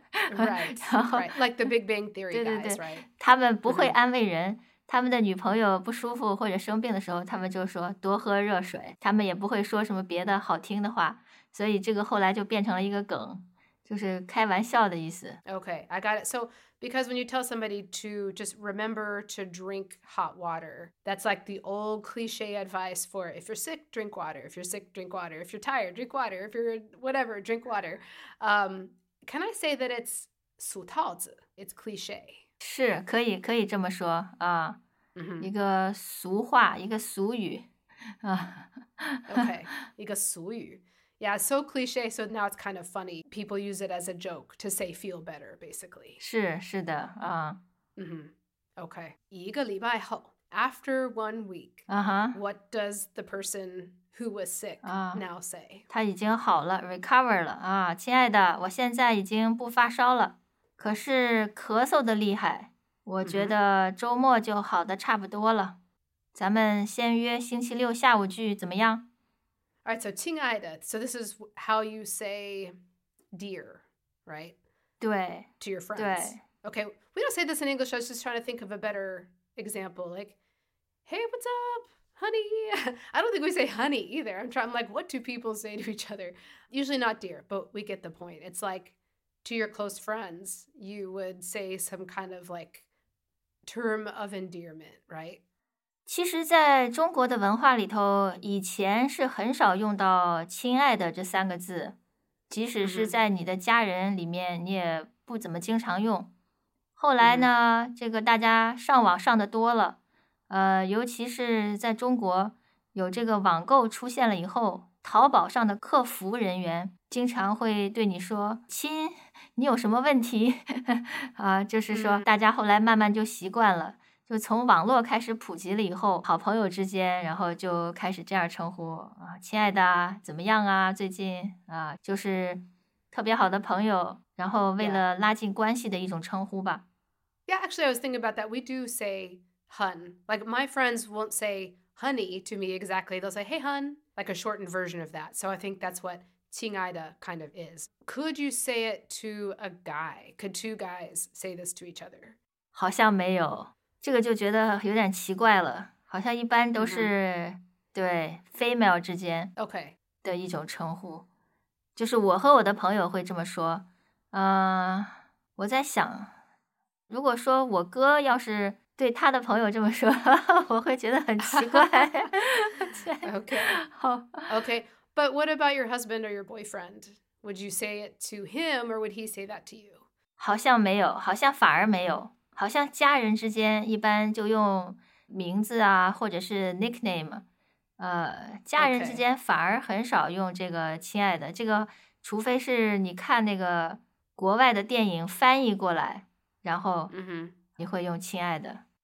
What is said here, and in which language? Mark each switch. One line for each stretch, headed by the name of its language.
English: right, right, like the Big Bang Theory
Chinese: 对对对
English: guys, right?
Chinese: 他们不会安慰人。Mm-hmm. 他们的女朋友不舒服或者生病的时候，他们就说多喝热水，他们也不会说什么别的好听的话，所以这个后来就变成了一个梗，就是开玩笑的意思。
English: Okay, I got it. So because when you tell somebody to just remember to drink hot water, that's like the old cliche advice for if you're sick, drink water, if you're sick, drink water, if you're tired, drink water, if you're whatever, drink water. Can I say that it's
Chinese: 俗套子
English: It's cliche
Chinese: 是可以可以这么说啊、一个俗话一个俗语
English: OK,
Chinese: 一个俗语
English: Yeah, so cliche, so now it's kind of funny. People use it as a joke to say feel better, basically.
Chinese: 是,是的,啊。
English: OK,
Chinese: 一个礼拜后,
English: after 1 week, what does the person who was sick now say?
Chinese: 他已经好了, recover 了,啊,亲爱的,我现在已经不发烧了,可是咳嗽的厉害,我觉得周末就好的差不多了。咱们先约星期六下午聚怎么样?
English: All right, so 亲爱的, so this is how you say dear, right?
Chinese: 对,
English: to your friends.
Chinese: 对。
English: Okay, we don't say this in English, I was just trying to think of a better example, like, hey, what's up, honey? I don't think we say honey either. I'm like, what do people say to each other? Usually not dear, but we get the point. It's like, to your close friends, you would say some kind of like term of endearment, right?
Chinese: 其实在中国的文化里头以前是很少用到亲爱的这三个字即使是在你的家人里面你也不怎么经常用。后来呢这个大家上网上的多了尤其是在中国有这个网购出现了以后淘宝上的客服人员经常会对你说亲你有什么问题啊就是说大家后来慢慢就习惯了。就从网络开始普及了以后好朋友之间然后就开始这样称呼啊，亲爱的怎么样啊最近啊，就是特别好的朋友然后为了拉近关系的一种称呼吧
English: Yeah, actually I was thinking about that. We do say hun. Like my friends won't say honey to me exactly. They'll say hey hun, like a shortened version of that. So I think that's what 亲爱的 kind of is. Could you say it to a guy? Could two guys say this to each other?
Chinese: 好像没有这个就觉得有点奇怪了好像一般都是、对 female 之间的一种称呼、就是我和我的朋友会这么说我在想如果说我哥要是对他的朋友这么说我会觉得很奇怪
English: okay. But what about your husband or your boyfriend? Would you say it to him or would he say that to you?
Chinese: 好像没有好像反而没有好像家人之间一般就用名字啊或者是 nickname, 家人之间反而很少用这个亲爱的、
English: okay.
Chinese: 这个除非是你看那个国外的电影翻译过来然后你会用亲爱的。